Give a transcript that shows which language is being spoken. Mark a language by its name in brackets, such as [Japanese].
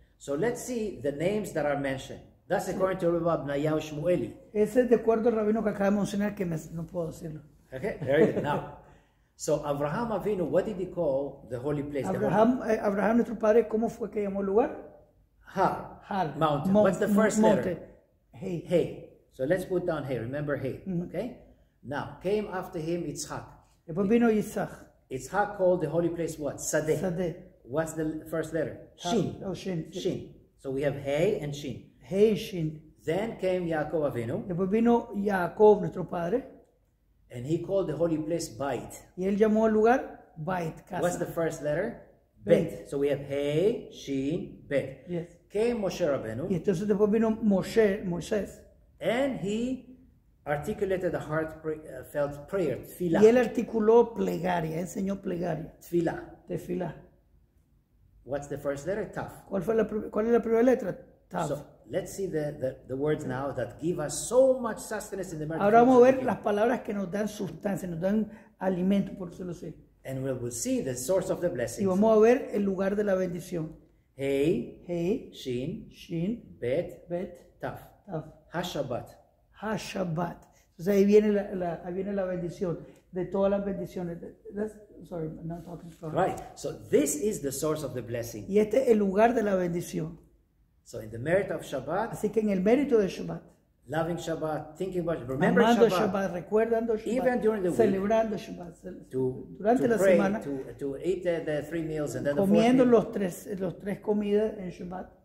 [English] So, let's see the names that are mentioned. That's according to Rabbi Abnayahu Shmueli. [Spanish] Ese es de acuerdo al rabino que acaba de mencionar, que no puedo decirlo. [English] Okay, very good. Now, so Abraham Avinu, what did he call the holy place? [Spanish] Abraham, nuestro padre, ¿cómo fue que llamó el lugar? [English] Har. Mountain. What's the first letter? [Hebrew] Hey. [English] Hey. So let's put down hey. Remember hey. Mm-hmm. Okay? Now, came after him Yitzhak. [Spanish] Después vino Yitzhak. [English] Yitzhak called the holy place what? Sadeh. [Hebrew] Sadeh. [English] What's the first letter? Shin. Oh, Shin. Shin. So we have Hey and Shin. Hey and Shin. Then came Yaakov Avinu. [Spanish] Después vino Yaakov, nuestro padre. [English] And he called the holy place Bait. [Spanish] Y él llamó al lugar Bait, casa. [English] What's the first letter? [Hebrew] Bet. [English] So we have Hey, Shin, Bet. Yes. Came Moshe Rabbeinu. [Spanish] Y entonces después vino Moshe, Moisés. [English] And he articulated a heartfelt prayer, tefila. [Spanish] Y él articuló plegaria, enseñó plegaria. [Hebrew] Tefila. Tefila. [English] What's the first letter? Taf. [Spanish] ¿Cuál es la primera letra? [Hebrew] Taf. [English] So, let's see the words now that give us so much sustenance in the [Spanish] marriage. Ahora vamos a ver las palabras que nos dan sustancia, nos dan alimento, por eso lo sé. [English] And we will see the source of the blessings. [Spanish] Y vamos a ver el lugar de la bendición. [Hebrew] Hey. Hey. Shin. Shin. Bet. Bet. Taf. Taf. Hashabbat. Hashabbat. [Spanish] Entonces ahí viene la bendición. De todas las bendiciones. [English] That's, sorry, I'm not talking about it. Right. So this is the source of the blessing. [Spanish] Y este es el lugar de la bendición. [English] So in the merit of Shabbat. [Spanish] Así que en el mérito de Shabbat. [English] Loving Shabbat, thinking about, remembering Shabbat, [Spanish] Shabbat, recordando Shabbat, [English] even during the week, [Spanish] celebrando Shabbat, durante [English] to [Spanish] la [English] pray, [Spanish] semana, [English] to eat the three meals and then [Spanish] comiendo [English] the [Spanish] los tres comidas en Shabbat,